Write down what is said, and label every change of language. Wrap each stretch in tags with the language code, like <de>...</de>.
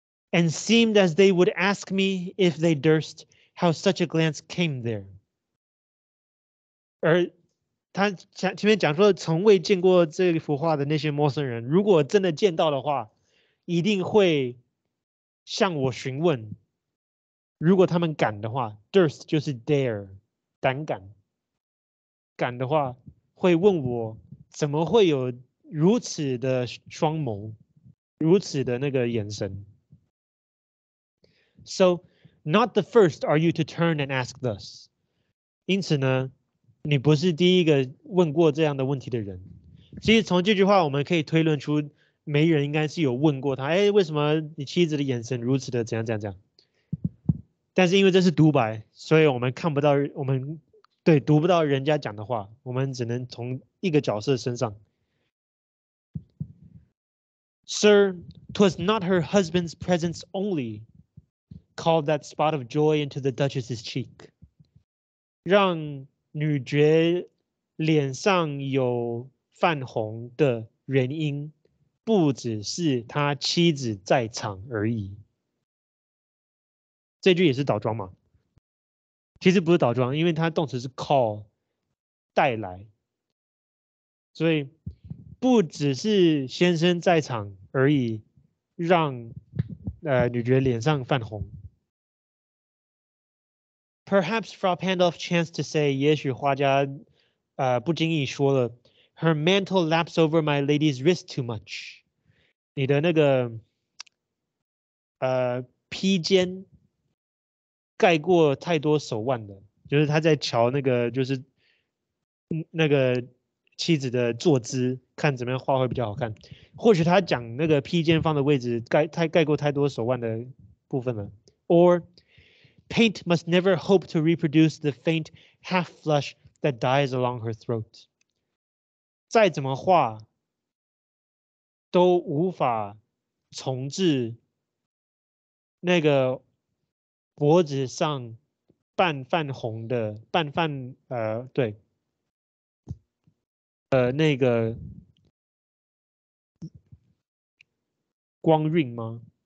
<en>And seemed as they would ask me if they durst how such a glance came there.</en> <zh>而他前面讲说从未见过这幅画的那些陌生人，如果真的见到的话，一定会向我询问。如果他们敢的话 ，durst 就是 dare， 胆敢。敢的话会问我怎么会有如此的双眸，如此的那个眼神。</zh> <en>So not the first are you to turn and ask thus.</en> <zh>因此呢，你不是第一个问过这样的问题的人。其实从这句话我们可以推论出没人应该是有问过他，哎，为什么你妻子的眼神如此的怎样怎样怎样。但是因为这是独白，所以我们看不到，我们对，读不到人家讲的话，我们只能从一个角色身上。</zh> <en>Sir, 'twas not her husband's presence only called that spot of joy into the Duchess's cheek.</en> <zh>让女爵脸上有泛红的原因，不只是她妻子在场而已。这句也是倒装吗？其实不是倒装，因为它动词是 call， 带来，所以不只是先生在场而已，让女爵脸上泛红。</zh> <en>Perhaps Frau Pandolf chanced to say，</en> <zh>也许画家不经意说了</zh> <en>，Her mantle laps over my lady's wrist too much。</en> <zh>你的那个披肩盖过太多手腕的，就是他在瞧那个，就是那个妻子的坐姿，看怎么样画会比较好看。或许他讲那个披肩放的位置盖过太多手腕的部分了。</zh> <en>Or paint must never hope to reproduce the faint half flush that dies along her throat。</en> <zh>再怎么画，都无法重置那个脖子上半泛红的半泛对那个光晕吗？</zh>